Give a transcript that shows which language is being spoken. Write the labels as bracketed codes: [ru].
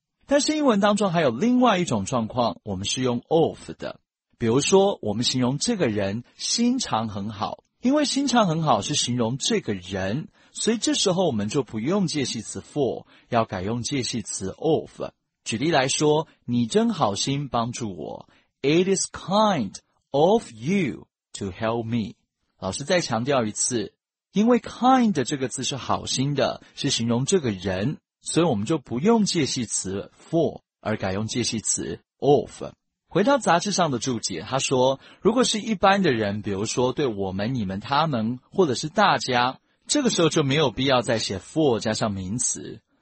[zh] 但是英文当中还有另外一种状况，我们是用 of 的。比如说我们形容这个人心肠很好，因为心肠很好是形容这个人，所以这时候我们就不用介系词 for， 要改用介系词 of。举例来说，你真好心帮助我， [en] It is kind of you to help me。 [zh] 老师再强调一次，因为 kind 这个字是好心的，是形容这个人，所以我们就不用介系词 for， 而改用介系词 of。回到杂志上的注解，他说如果是一般的人，比如说对我们、你们、他们或者是大家，这个时候就没有必要再写 for 加上名词。